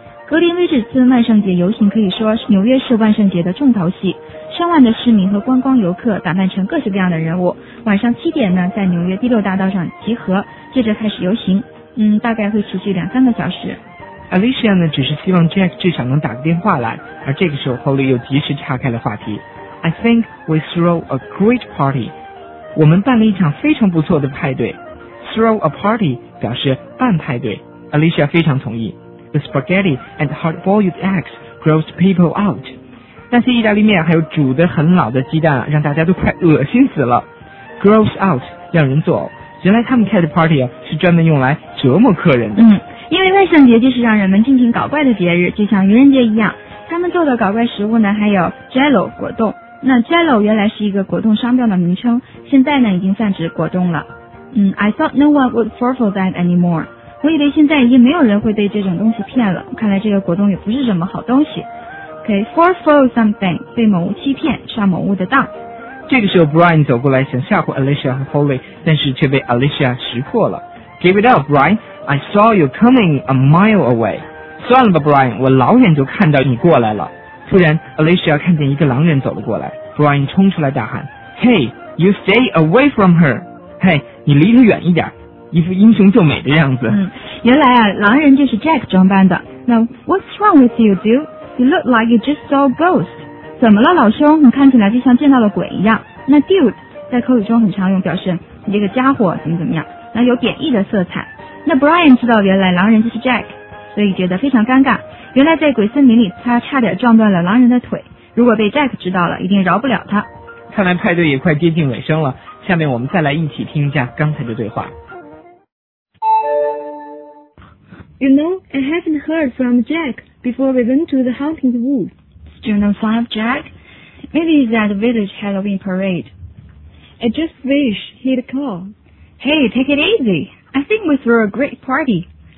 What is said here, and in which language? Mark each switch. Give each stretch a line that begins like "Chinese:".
Chinese: 格林威治村万圣节游行可以说是纽约市万圣节的重头戏，上万的市民和观光游客打扮成各式各样的人物，晚上七点呢在纽约第六大道上集合，接着开始游行，大概会持续两三个小时。 Alicia 呢只是希望 Jack 至少能打个电话来，而这个时候 Holly 又及时岔开了话题。
English: I think we throw a great party.
Chinese: 我们办了一场非常不错的派对。 Throw a party 表示办派对。Alicia 非常同意。
English: The spaghetti and hard-boiled eggs grossed people out.
Chinese: 那些意大利面还有煮得很老的鸡蛋让大家都快恶心死了。 Gross out 让人作呕。原来他们开的 party 是专门用来折磨客人的。因为万圣节就是让人们尽情搞怪的节日，就像愚人节一样。他们做的搞怪食物呢还有 Jello 果冻。那 Jello 原来是一个果冻商标的名称，现在呢已经泛指果冻了。
English: I thought no one would fall for that anymore.
Chinese: 我以为现在已经没有人会被这种东西骗了，看来这个果冻也不是什么好东西。 Okay, fall for something, 被某物欺骗，上某物的当。这个时候 Brian 走过来想吓唬 Alicia 和 Holly， 但是却被 Alicia 识破了。
English: Give it up, Brian, I saw you coming a mile away.
Chinese: 算了吧 Brian, 我老远就看到你过来了。突然 Alicia 看见一个狼人走了过来， Brian 冲出来大喊
English: Hey, you stay away from her.
Chinese: Hey, 你离她远一点，一副英雄救美的样子。原来啊，狼人就是 Jack 装扮的。那
English: What's wrong with you, dude? You look like you just saw a ghost.
Chinese: 怎么了老兄，你看起来就像见到了鬼一样。那 dude 在口语中很常用表示你这个家伙怎么怎么样，那有贬义的色彩。那 Brian 知道原来狼人就是 Jack， 所以觉得非常尴尬。原来在鬼森林里他差点撞断了狼人的腿，如果被 Jack 知道了一定饶不了他。看来派对也快接近尾声了，下面我们再来一起听一下刚才的对话。
English: You know, I haven't heard from Jack before we went to the haunted wood. Do you know sign of Jack? Maybe he's at the village Halloween parade. I just wish he'd call. Hey, take it easy. I think we threw a great party.